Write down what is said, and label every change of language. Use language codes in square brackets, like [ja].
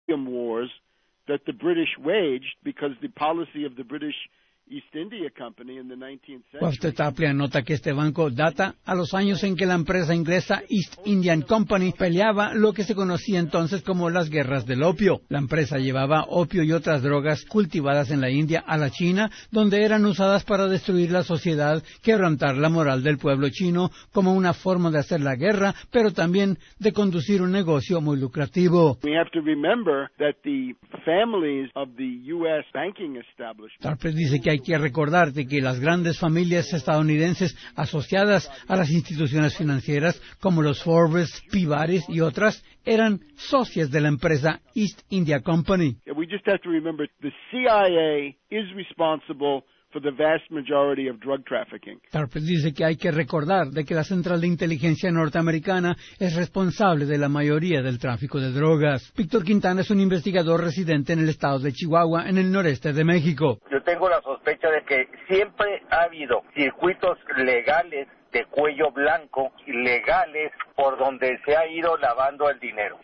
[en] opium wars that the British waged because the policy of the British East India Company in the 19th century. [es] Pues usted está ampliando, nota que este banco data a los años en que la empresa inglesa East Indian Company peleaba lo que se conocía entonces como las guerras del opio. La empresa llevaba opio y otras drogas cultivadas en la India a la China, donde eran usadas para destruir la sociedad, quebrantar la moral del pueblo chino como una forma de hacer la guerra, pero también de conducir un negocio muy lucrativo. [en] We have to remember that the families of the U.S. banking establishment. [es] Tarpe dice que hay que recordar de que las grandes familias estadounidenses asociadas a las instituciones financieras como los Forbes, Peabody y otras eran socias de la empresa East India Company. [en] We just have to remember the CIA is responsible for the vast majority of drug trafficking. [es] Tarpe dice que hay que recordar de que la Central de Inteligencia Norteamericana es responsable de la mayoría del tráfico de drogas. Víctor Quintana es un investigador residente en el estado de Chihuahua, en el noreste de México. Yo tengo la sospecha de que siempre ha habido circuitos legales de cuello blanco, ilegales, por donde se ha ido lavando el dinero.